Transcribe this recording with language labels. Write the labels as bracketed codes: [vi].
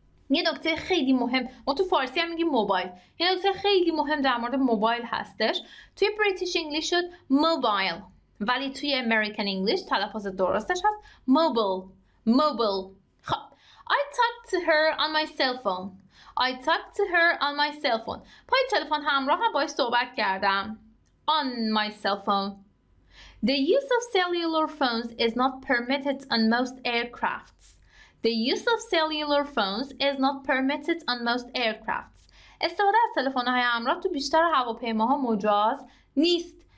[fa] یه نکته خیلی مهم، ما تو فارسی هم میگیم موبایل. یه نکته خیلی مهم در مورد موبایل هستش، توی بریتیش انگلیش شد موبایل ولی توی امریکن انگلیش تلفظ درستش هست موبل. [en] خب I talked to her on my cell phone. [fa] پای تلفن همراه هم باهاش صحبت کردم. [en] On my cell phone. The use of cellular phones is not permitted on most aircrafts. The use of cellular phones is not permitted on most aircrafts. [fa] استفاده از تلفن‌های همراه تو بیشتر هواپیماها مجاز نیست.